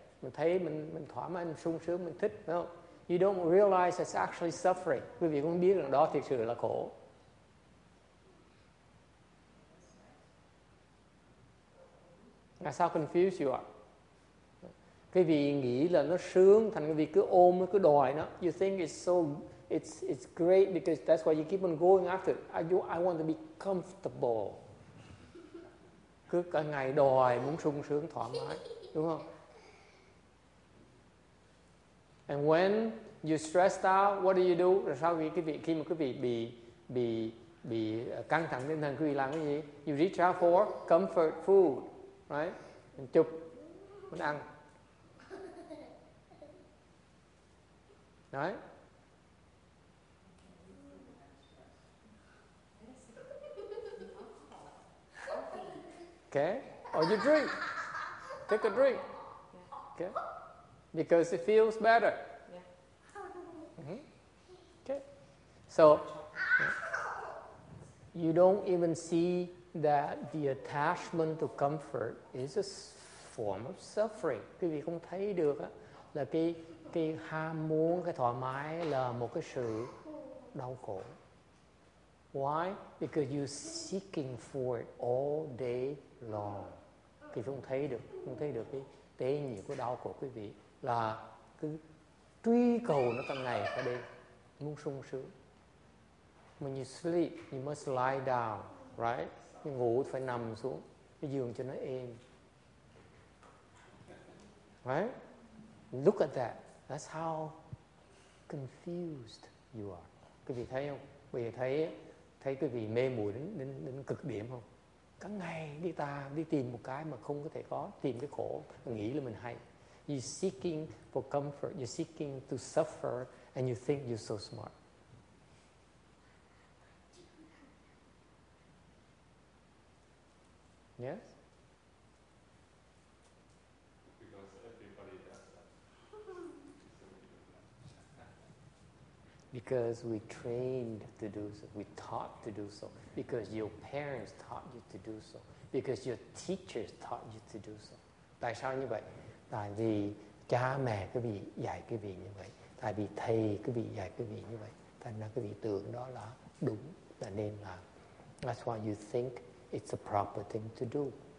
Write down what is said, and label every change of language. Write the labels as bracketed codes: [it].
[vi] Mình thấy mình thoải mái, mình sung sướng, mình thích, phải không? [en] You don't realize it's actually suffering. [vi] Quý vị cũng biết rằng đó thực sự là khổ. [en] That's how confused you are. [vi] Quý vị nghĩ là nó sướng, thành quý vị cứ ôm, cứ đòi nó. [en] You think it's great because that's why you keep on going after it. I want to be comfortable. [vi] Cứ cả ngày đòi, muốn sung sướng, thoải mái. Đúng không? [en] And when you're stressed out, what do you do? [vi] Rồi sau khi mà quý vị bị căng thẳng tinh thần, quý vị làm cái gì? [en] You reach out for comfort food. Right? [vi] Mình chụp, mình ăn. Đấy. [en] Okay. Or you drink. Take a drink. Okay. Because it feels better. Mm-hmm. Okay. So you don't even see that the attachment to comfort is a form of suffering. [vi] Quý vị không thấy được á là cái ham muốn, cái thoải mái là một cái sự đau khổ. [en] Why? Because you're seeking for it all day long. [vi] Quý vị không thấy được cái tế nhị của đau khổ quý vị là cứ truy cầu nó cả ngày cả đêm, muốn sung sướng. [en] When you sleep, you must lie down, right? [vi] Nhưng ngủ phải nằm xuống cái giường cho nó êm. [en] Right? Look at that. That's how confused you are. [vi] Quý vị thấy không? Quý vị thấy quý vị mê muội đến cực điểm không? Cả ngày đi tìm một cái mà không có thể có, tìm cái khổ, nghĩ là mình hay. [en] You're seeking for comfort. You're seeking to suffer and you think you're so smart. Yes? Because we trained to do so. We taught to do so. Because your parents taught you to do so. Because your teachers taught you to do so. [vi] Tại sao như vậy? Tại vì cha mẹ cứ bị dạy cái vị như vậy. Tại vì thầy cứ bị dạy cái vị như vậy. Thành ra cái vị tưởng đó là đúng, là nên làm. [en] That's why you think it's a proper thing to do.